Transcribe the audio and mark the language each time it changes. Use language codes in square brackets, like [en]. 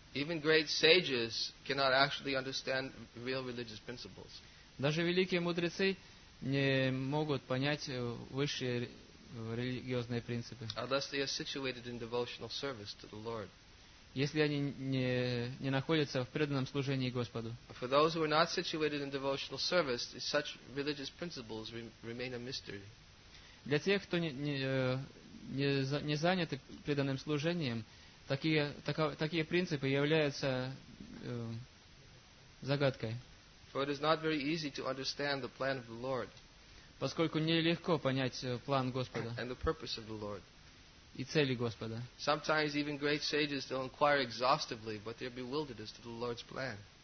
[en] Even great sages cannot actually understand real religious principles. [ru] Даже великие мудрецы не могут понять высшие религиозные принципы. [en] Unless they are situated in devotional service to the Lord. [ru] Если они не находятся в преданном служении Господу. [en] For those who are not situated in devotional service, such religious principles remain a mystery. [ru] Для тех, кто не заняты преданным служением, такие принципы являются загадкой. [en] For it is not very easy to understand the plan of the Lord. [ru] Поскольку нелегко понять план Господа. [en] And the purpose of the Lord. [ru] И цели Господа. [en] Sometimes even great sages they'll inquire exhaustively, but they're bewildered as to the Lord's plan.